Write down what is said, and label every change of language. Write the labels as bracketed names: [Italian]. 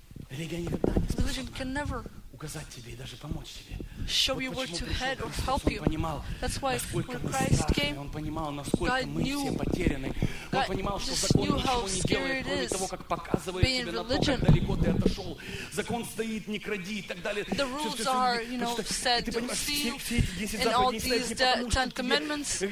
[Russian] Религия никогда не способна указать тебе и даже помочь тебе. [English] Show you where to head or help you. That's why when Christ came, [Russian] он понимал, насколько мы все потеряны. Он понимал, что закон ничего не делает, кроме того, как показывает тебе на то, как далеко ты отошел. Закон стоит, не кради и так далее. [English] The rules are, you know, said, don't steal, and all these ten commandments.